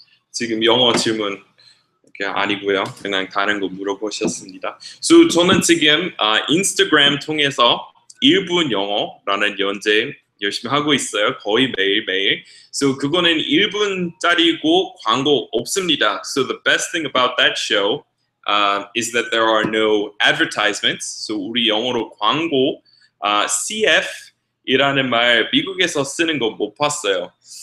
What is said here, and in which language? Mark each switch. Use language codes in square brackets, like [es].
[ko] 지금 영어 질문 아니고요. 그냥 다른 거 물어보셨습니다. So 저는 지금 인스타그램 통해서 1분 영어라는 연재 열심히 하고 있어요. 거의 매일매일. So 그거는 1분짜리고 광고 없습니다. [en] So the best thing about that show is that there are no advertisements. [ko] So 우리 영어로 광고, CF 이라는 말 미국에서 쓰는 거 못 봤어요.